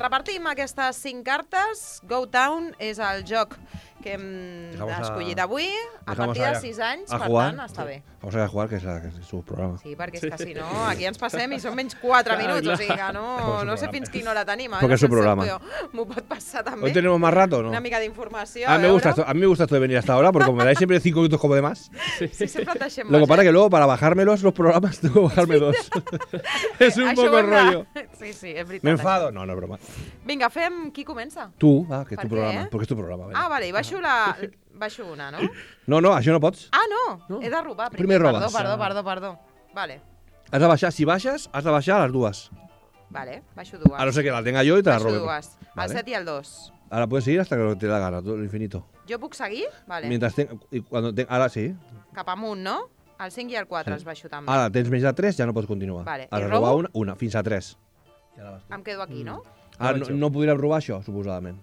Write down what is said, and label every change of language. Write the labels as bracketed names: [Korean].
[Catalan] repartim aquestes 5 cartes. Go Town és el joc que hem escollit avui, a partir dels 6 anys, per tant, està bé. [Spanish] Vamos a jugar, [Catalan] que és el seu programa. Sí, perquè és que si no, aquí ens passem i són menys 4 minuts, o sigui que no sé fins quina hora tenim. Perquè és el programa. M'ho pot passar també. [Spanish] Hoy tenemos más rato, ¿no? [Catalan] Una mica d'informació. [Spanish] A mi me gusta esto de venir hasta ahora, porque como me dais siempre 5 minutos como de más. [Catalan] Sí, sempre et deixem [Spanish] más. Lo que pasa que luego, para bajármelos los programas, tengo que bajarme dos. Es un poco rollo. [Catalan] Sí, sí, és veritat. [Spanish] Me enfado. No, no, broma. [Catalan] Vinga, fem qui comença. Tu, va, que és tu programa. Perquè és tu programa. Ah, vale, i baixo la... Baixo una, no? No, no, això no pots. Ah, no, no. He de robar. Primer robes. Perdó. Vale. Has de baixar, si baixes, has de baixar les dues. Vale, baixo dues. [Spanish] A no ser que la tenga jo i te [Catalan] baixo la robo. Baixo dues, vale. El 7 i el 2. [Spanish] Ara puedes seguir hasta que te la gana, todo l'infinito. [Catalan] Jo puc seguir? Vale. [Spanish] Mientras tenga... Y cuando tenga... [Catalan] Ara sí. Cap amunt, no? El 5 i el 4 sí. Els baixo també. Ara tens més de 3, ja no pots continuar. Vale, has de robar una, fins a 3. Ja la vas tu. Em quedo aquí, no? Ah, no podríem robar això, suposadament.